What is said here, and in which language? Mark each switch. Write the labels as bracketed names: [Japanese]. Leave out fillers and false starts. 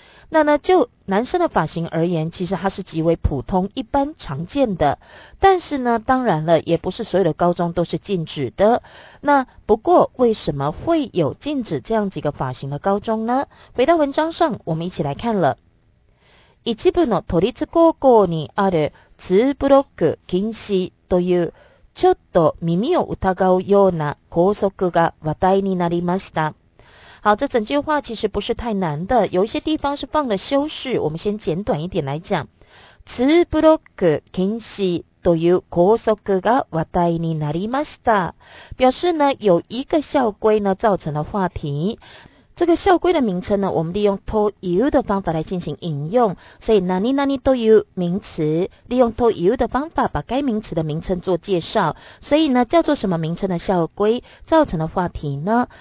[Chinese] 那呢就男生的发型而言，其实它是极为普通一般常见的，但是呢当然了也不是所有的高中都是禁止的。那不过为什么会有禁止这样几个发型的高中呢？回到文章上我们一起来看了。 [Japanese] 一部の都立高校にある2ブロック禁止というちょっと耳を疑うような校則が話題になりました。 [Chinese] 好，这整句话其实不是太难的，有一些地方是放了修饰，我们先简短一点来讲。 [Japanese] 2ブロック禁止という校則が話題になりました。 [Chinese] 表示呢有一个校规呢造成了话题。这个校规的名称呢，我们利用 to you 的方法来进行引用，所以 nani nani to you 名词，利用 to you 的方法把该名词的名称做介绍，所以呢叫做什么名称的校规造成了话题呢？